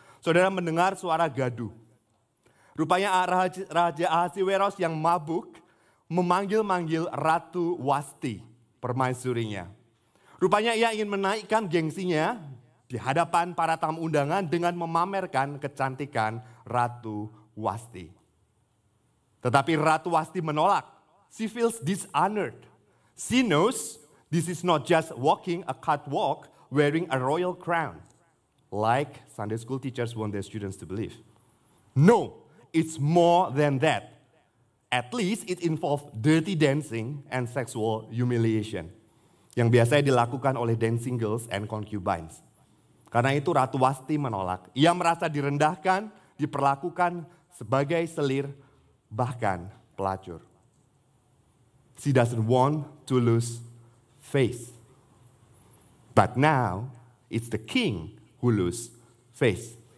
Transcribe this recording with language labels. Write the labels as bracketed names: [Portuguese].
[Indonesian] saudara mendengar suara gaduh. Rupanya Raja Ahasiweros yang mabuk memanggil-manggil Ratu Wasti, permaisurinya. Rupanya ia ingin menaikkan gengsinya di hadapan para tamu undangan dengan memamerkan kecantikan Ratu Wasti. Tetapi Ratu Wasti menolak. [English] She feels dishonored. She knows this is not just walking a catwalk wearing a royal crown, like Sunday school teachers want their students to believe. No, it's more than that. At least it involves dirty dancing and sexual humiliation [Indonesian] yang biasanya dilakukan oleh [English] dancing girls and concubines. [Indonesian] Karena itu Ratu Wasti menolak. Ia merasa direndahkan, diperlakukan sebagai selir, bahkan pelacur. [English] She doesn't want to lose face. But now, it's the king who lose face.